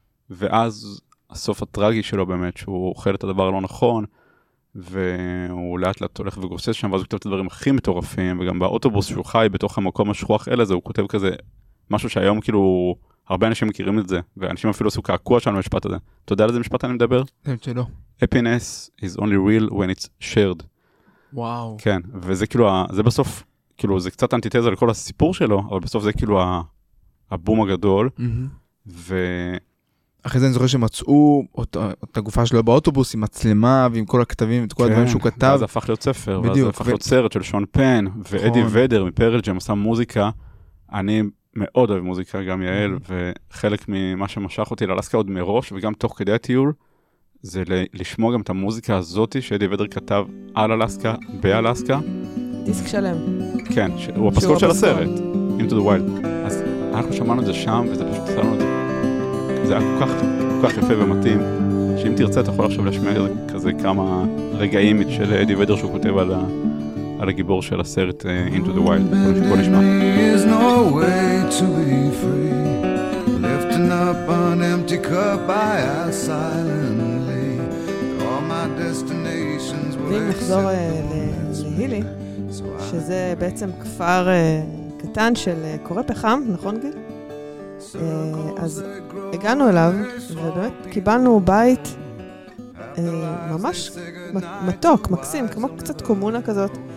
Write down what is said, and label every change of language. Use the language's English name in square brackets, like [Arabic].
[Hebrew] ואז הסוף הטרגי שלו באמת, שהוא אוכל את הדבר הלא נכון, והוא לאט לאט הולך וגוסס שם, ואז הוא כתב את הדברים הכי מטורפים, וגם באוטובוס שהוא חי בתוך המקום השכוח אל הזה, הוא כותב כזה משהו שהיום כאילו הרבה אנשים מכירים את זה, ואנשים אפילו עשו קעקוע שלנו משפט הזה. אתה יודע על איזה משפט אני מדבר? כן, שלא. [English] Happiness is only real when it's shared. [Hebrew] וואו. כן, וזה כאילו, זה בסוף, כאילו זה קצת אנטיתזה לכל הסיפור שלו, אבל בסוף זה כאילו הבום הגדול, ו... אחרי זה אני זוכר שמצאו את הגופה שלו באוטובוס עם מצלמה ועם כל הכתבים ואת כל הדברים שהוא כתב. ואז הפך להיות ספר, ואז הפך להיות סרט של שון פן ואדי ודר מפרל ג'ם עשה מוזיקה. אני מאוד אוהב מוזיקה גם יעל, וחלק ממה שמשך אותי לאלסקה עוד מראש וגם תוך כדי הטיול, זה לשמוע גם את המוזיקה הזאת שאדי ודר כתב על אלסקה, באלסקה. דיסק שלם. כן, הוא הפסקול של הסרט, Into the Wild. אז אנחנו שמענו את זה שם וזה פשוט עשה לנו את זה. זה היה כל כך יפה ומתאים, שאם תרצה אתה יכול עכשיו לשמר כזה כמה רגעים של אדי ודר שהוא כותב על, על הגיבור של הסרט Into the Wild. בוא נשמע. [English] There's no way to be free Lifting up an empty cup I ask silently All my destinations were set [Hebrew] נחזור להילי, שזה בעצם כפר קטן של קורא פחם, נכון גיל? אז הגענו אליו ובאמת קיבלנו בית ממש מתוק, מקסים, כמו קצת קומונה כזאת.